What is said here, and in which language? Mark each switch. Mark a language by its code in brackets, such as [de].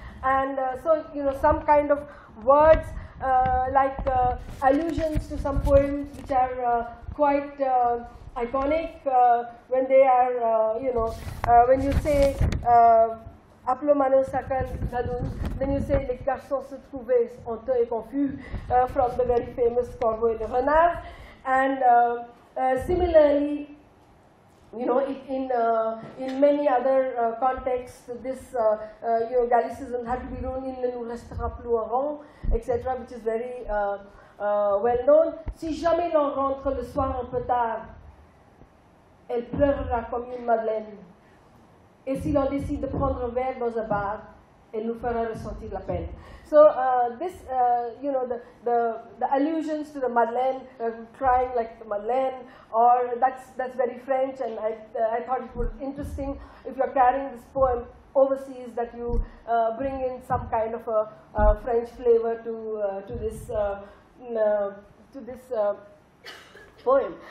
[en] And so, you know, some kind of words like allusions to some poems which are quite iconic when they are, you know, when you say, then you say, [fr] les garçons se trouvaient honteux et confus [en] from the very famous Corbeau et le Renard. And similarly, you know, in many other contexts, this, you know, Gallicism had to be known, [fr] il ne nous restera plus en rang, [en] etc., which is very well known. [fr] Si jamais l'on rentre le soir un peu tard, elle pleurera comme une madeleine. Et si l'on décide de prendre un verre dans un bar, elle nous fera ressentir la peine. [en] So this, you know, the allusions to the Madeleine, crying like the Madeleine, or that's very French, and I thought it was interesting if you're carrying this poem overseas that you bring in some kind of a French flavor to this poem.